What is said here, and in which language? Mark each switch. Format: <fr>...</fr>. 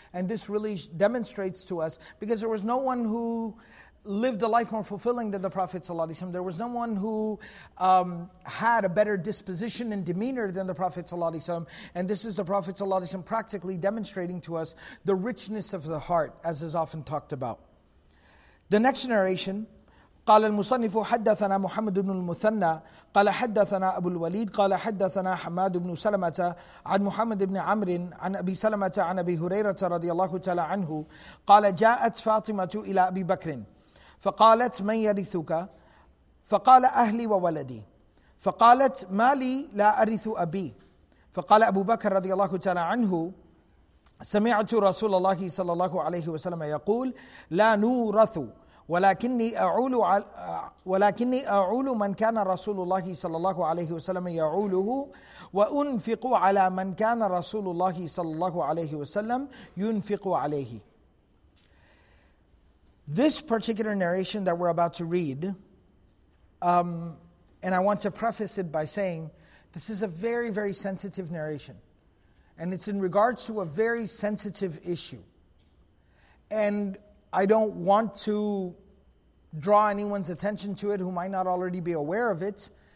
<en>And this really demonstrates to us, because there was no one who lived a life more fulfilling than the Prophet ﷺ. There was no one who had a better disposition and demeanor than the Prophet ﷺ. And this is the Prophet ﷺ practically demonstrating to us the richness of the heart, as is often talked about. The next narration,</en> <ar>قال المصنف حدثنا محمد بن المثنى قال حدثنا أبو الوليد قال حدثنا حماد بن سلمة عن محمد بن عمرو عن أبي سلمة عن أبي هريرة رضي الله تعالى عنه قال جاءت فاطمة إلى أبي بكر فقالت من يرثك؟ فقال أهلي وولدي. فقالت ما لي لا أرث أبي. فقال أبو بكر رضي الله تعالى عنه سمعت رسول الله صلى الله عليه وسلم يقول لا نورث ولكني أعول من كان رسول الله صلى الله عليه وسلم يعوله وأنفق على من كان رسول الله صلى الله عليه وسلم ينفق عليه.</ar> <en>This particular narration that we're about to read, and I want to preface it by saying, this is a very, very sensitive narration. And it's in regards to a very sensitive issue. And I don't want to draw anyone's attention to it who might not already be aware of it.</en>